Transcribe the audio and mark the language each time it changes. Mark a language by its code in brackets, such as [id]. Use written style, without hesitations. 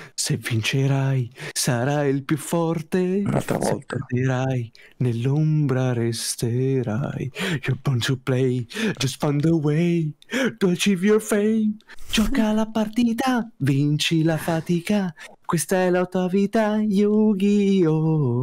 [it] Se vincerai, sarai il più forte. Un'altra se volta. Perderai, nell'ombra resterai. [en] You're born to play, just find the way to achieve your fame. [it] Gioca la partita, vinci la fatica. Questa è la tua vita, Yu-Gi-Oh.